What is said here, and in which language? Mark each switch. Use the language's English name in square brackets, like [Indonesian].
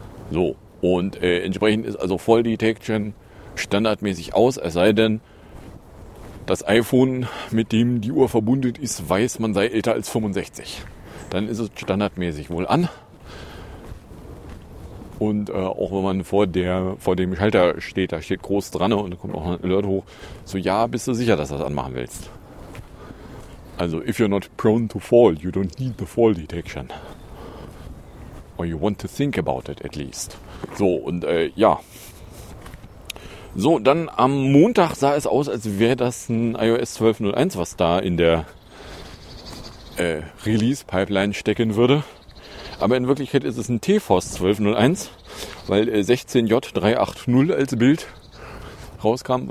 [German] So, und entsprechend ist also Fall Detection standardmäßig aus, es sei denn, das iPhone, mit dem die Uhr verbunden ist, weiß, man sei älter als 65. Dann ist es standardmäßig wohl an. Und auch wenn man vor dem Schalter steht, da steht groß dran und da kommt auch ein Alert hoch. So, ja, bist du sicher, dass du das anmachen willst? [English] Also, if you're not prone to fall, you don't need the fall detection. Or you want to think about it at least. [German] So, und ja. So, dann am Montag sah es aus, als wäre das ein iOS 12.01, was da in der Release-Pipeline stecken würde. Aber in Wirklichkeit ist es ein TFOS 1201, weil 16J380 als Bild rauskam.